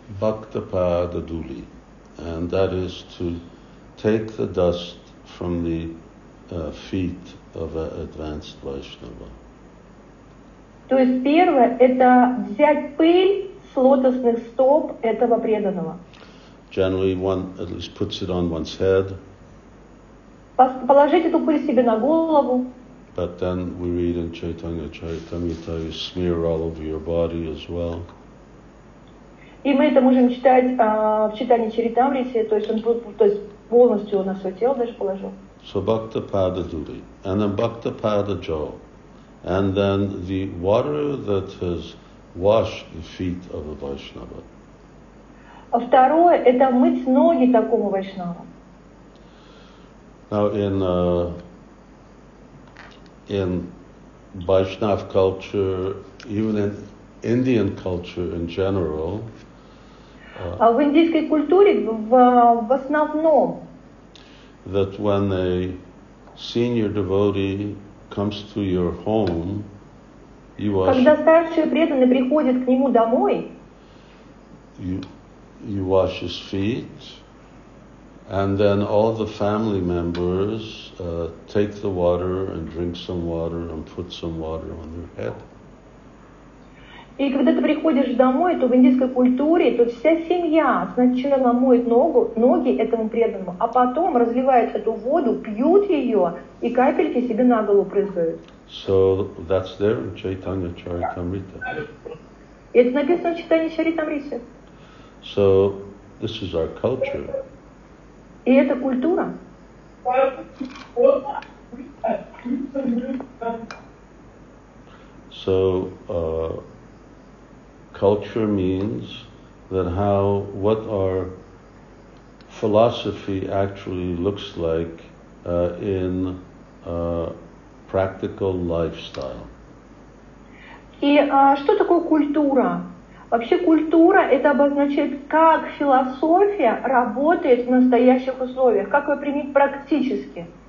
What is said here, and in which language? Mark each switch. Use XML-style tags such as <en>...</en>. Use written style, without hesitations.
<en>Bhaktapada duli, and that is to take the dust from the feet of an advanced Vaishnava.</en> <ru>То есть первое это взять пыль с лотосных стоп этого преданного.</ru> <en>Generally, one at least puts it on one's head.</en> <ru>Положить эту пыль себе на голову.</ru> <en>But then we read in Chaitanya Charitamrita, you smear all over your body as well.</en> <ru>И мы это можем читать в Чайтанье Чаритамрите, то есть он полностью на свое тело даже положил.</ru> <en>So Bhaktapada Duli, and then Bhaktapada Jal, and then the water that has washed the feet of a Vaishnava.</en> <ru>А второе, это мыть ноги такому Вайшнава.</ru> <en>Now in in Vaishnav culture, even in Indian culture in general.</en> <ru>В индийской культуре в основном.</ru> <en>That when a senior devotee comes to your home, you ask.</en> <ru>Когда старший преданный приходит к нему домой.</ru> <en>You wash his feet, and then all the family members take the water and drink some water and put some water on their head.</en> <ru>И когда ты приходишь домой, то в индийской культуре, то вся семья сначала моет ноги этому преданному, а потом разливают эту воду, пьют ее и капельки себе на голову прыскают.</ru> <en>So that's there in Chaitanya Charitamrita.</en> <ru>Это написано в Чайтанья Чаритамрите.</ru> <en>So, this is our culture.</en> <ru>И это культура.</ru> <en>So, culture means that how, what our philosophy actually looks like in practical lifestyle.</en> <ru>И что такое культура? Вообще культура – это обозначает, как философия работает в настоящих условиях, как ее применить практически.</ru>